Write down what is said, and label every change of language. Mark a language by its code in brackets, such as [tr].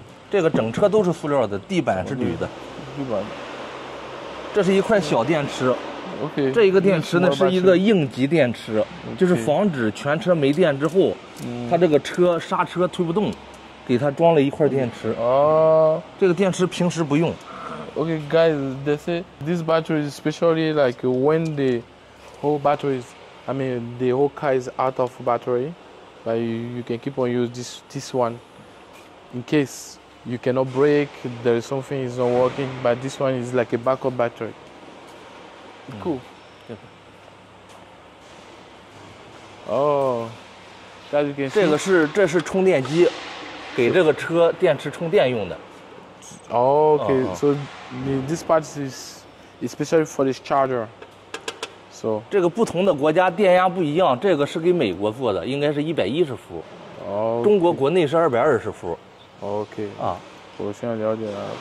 [zh] 这个整车都是塑料的，地板是铝的。地板。这是一块小电池。 [en] OK。 [zh] 这一个电池呢，是一个应急电池， [en] okay. [zh] 就是防止全车没电之后，它这个车刹车推不动，给它装了一块电池。哦。这个电池平时不用。 [en] Okay, guys, they say this battery is specially like when the whole battery is, I mean, the whole car is out of battery, but you can keep on use this one in case. You cannot break, there is something is not working, but this one is like a backup battery. Cool. Oh, that you can see. [zh] 这是充电机，给这个车电池充电用的。 [en] Oh, okay. Uh-huh. So this part is especially for this charger. So [zh] 这个不同的国家电压不一样，这个是给美国做的，应该是110伏。 [en] 哦、okay.。 [zh] 中国国内是220伏。 [en] OK。啊， [zh] 我现在了解了。